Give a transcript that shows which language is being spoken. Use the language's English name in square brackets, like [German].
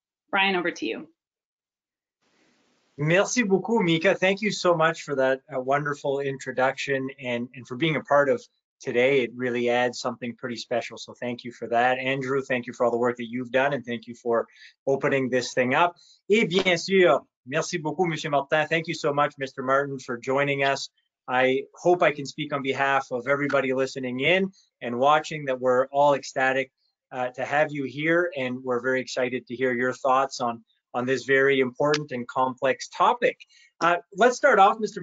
[English] Brian, over to you. [French] Merci beaucoup, Mieka. [English] Thank you so much for that wonderful introduction and for being a part of today. It really adds something pretty special. So thank you for that. Andrew, thank you for all the work that you've done and thank you for opening this thing up. [French] Et bien sûr, merci beaucoup, Monsieur Martin. [English] Thank you so much, Mr. Martin, for joining us. I hope I can speak on behalf of everybody listening in and watching that we're all ecstatic to have you here and we're very excited to hear your thoughts on this very important and complex topic. Let's start off, Mr.